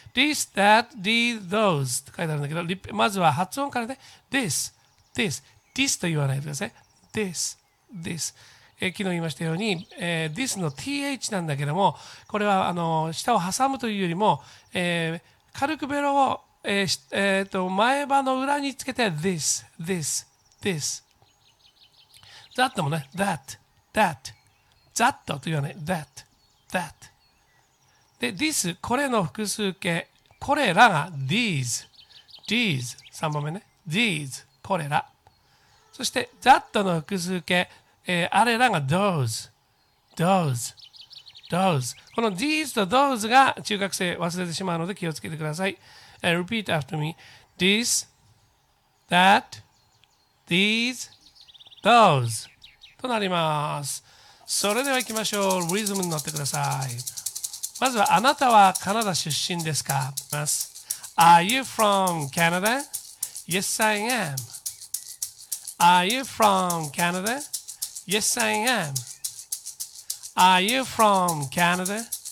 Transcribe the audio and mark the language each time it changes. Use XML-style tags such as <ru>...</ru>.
<en>This, that, these, those</en> <ja>って書いてあるんだけど、まずは発音からね、this, this, this と言わないでください。</ja> <en>this, this。</en> <ja>昨日言いましたように、this の th なんだけども、これは、舌を挟むというよりも、軽くベロを、前歯の裏につけて、this, this, this。</ja> <en>That もね、that, that, that と言わない、that, that。</en> <ja>で、this、これの複数形、これらが these、 These 3番目ね These これらそして That の複数形、あれらが Those Those Those この These と Those が中学生忘れてしまうので気をつけてください、</ja> <en>Repeat after me This That These Those</en> <ja>となりますそれでは行きましょうリズムに乗ってくださいまずはあなたはカナダ出身ですか</ja> <en>Are you from Canada? Yes, I am Are you from Canada? Yes, I am Are you from Canada?</en>